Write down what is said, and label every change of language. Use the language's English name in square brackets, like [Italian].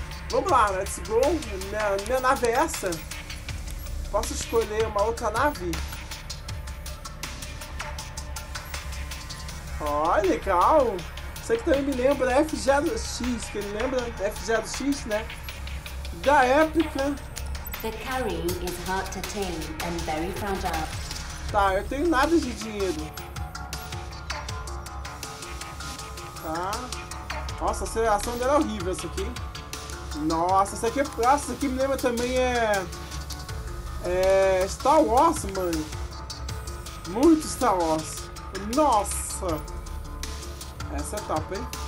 [Portuguese] Vamos lá, [English] let's go. [Portuguese] Minha nave é essa. Posso escolher uma outra nave? Ó, legal! Isso aqui também me lembra FGX, que ele lembra FGX, né? Da época. [English] The carrying is hard to tame and very fragile. [Portuguese] Tá, eu tenho nada de dinheiro. Tá. Nossa, a aceleração dela é horrível essa aqui. Nossa, essa aqui é. Nossa, essa aqui me lembra também é. Star Wars, mano. Muito Star Wars. Nossa. Essa é top, hein?